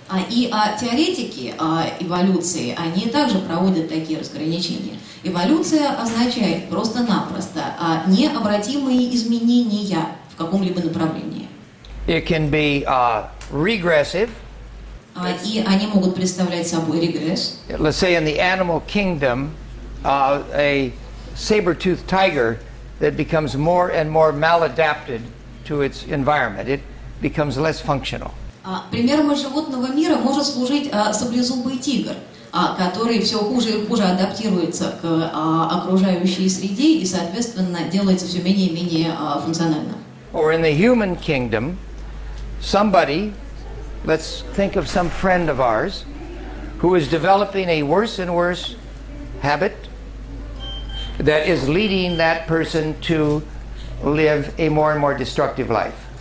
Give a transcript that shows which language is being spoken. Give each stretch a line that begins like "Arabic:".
Russian: И теоретики эволюции, они также проводят такие разграничения. Эволюция означает просто-напросто необратимые изменения в каком-либо направлении.
English: It can be regressive.
Russian: И они могут представлять собой регресс.
English: Let's say in the animal kingdom, a saber-toothed tiger that becomes more and more maladapted to its environment. It becomes less functional.
Russian: Примером животного мира может служить саблезубый тигр, который все хуже и хуже адаптируется к окружающей среде и, соответственно, делается все менее и менее функциональным.
English: Or in the human kingdom, somebody, let's think of some friend of ours, who is developing a worse and worse habit that is leading that person to live a more and more destructive life.